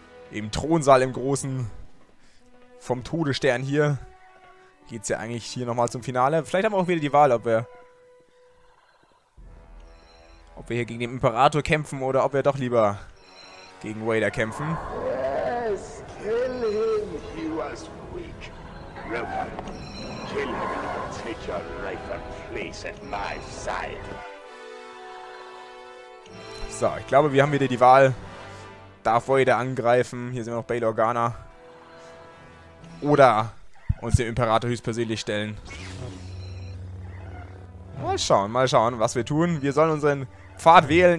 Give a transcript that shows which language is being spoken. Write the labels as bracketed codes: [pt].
[de] Im Thronsaal im Großen vom Todesstern hier geht es ja eigentlich hier nochmal zum Finale. Vielleicht haben wir auch wieder die Wahl, ob wir hier gegen den Imperator kämpfen oder ob wir doch lieber gegen Vader kämpfen. [en] Yes, kill him, he was weak. Rohan, kill him and take your life and place at my side. [de] So, ich glaube, wir haben wieder die Wahl. Darth Vader angreifen, hier sind wir noch Bail Organa. Oder uns dem Imperator höchstpersönlich stellen. Mal schauen, was wir tun. Wir sollen unseren Pfad wählen.